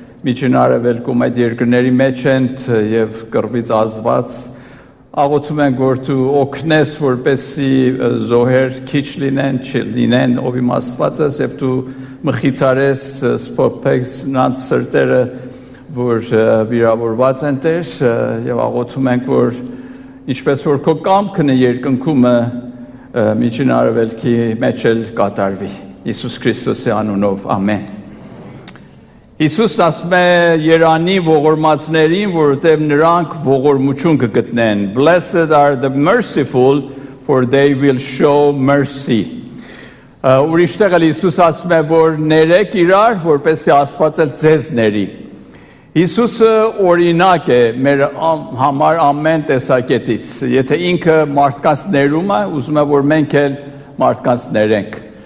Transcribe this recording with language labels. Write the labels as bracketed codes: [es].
[hy] միջին արևելքում այդ երկրների մեջ են և կռվից ազդված, աղոթում ենք, որ դու օգնես, որպեսզի զոհեր քիչ լինեն, չլինեն, ով իմ Աստված ես, եթե դու մխիթարես, սփոփես նրանց սրտերը, որ վիրավորված են Տեր, և աղոթում ենք, որ ինչպես որ քո կամքն է երկնքումը միջին արևելքի մեջ էլ կատարվի, Իսուս Քրիստոսի անունով, ամեն։ Իսուսն ասում է Երանի ողորմածներին, որովհետև նրանք ողորմություն կգտնեն. [en] Blessed are the merciful, for they will show mercy. [hy] Ուրիշտեղ էլ Իսուս ասում է, որ ներեք իրար, որպեսզի Աստված էլ ձեզ ների։ Իսուսը օրինակ է մեր համար ամեն տեսակետից, եթե ինքը մարդկանց ներում է, ուզում է, որ մենք էլ մարդկանց ներենք։